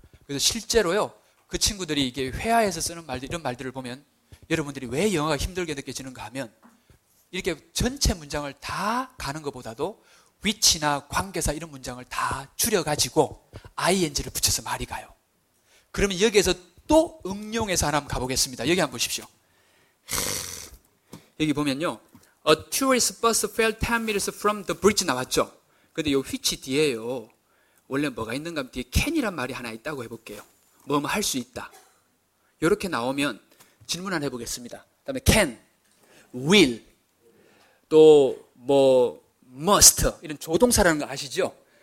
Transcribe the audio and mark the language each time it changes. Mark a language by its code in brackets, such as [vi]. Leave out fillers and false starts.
[ko] 그래서 실제로요, 그 친구들이 이게 회화에서 쓰는 말들, 이런 말들을 보면 여러분들이 왜 영어가 힘들게 느껴지는가 하면 이렇게 전체 문장을 다 가는 것보다도 위치나 관계사 이런 문장을 다 줄여가지고 ing를 붙여서 말이 가요. 그러면 여기에서 또 응용해서 하나 한번 가보겠습니다. 여기 한번 보십시오. 여기 보면요. [en] A tourist bus fell 10 meters from the bridge 나왔죠. [ko] 근데 이 위치 뒤에요. 원래 뭐가 있는가 하면 뒤에 can이란 말이 하나 있다고 해볼게요. 뭐뭐 할 수 있다. 이렇게 나오면 질문 하나 해보겠습니다. 그 다음에 can, will, 또 뭐 must 이런 조동사라는 거 아시죠?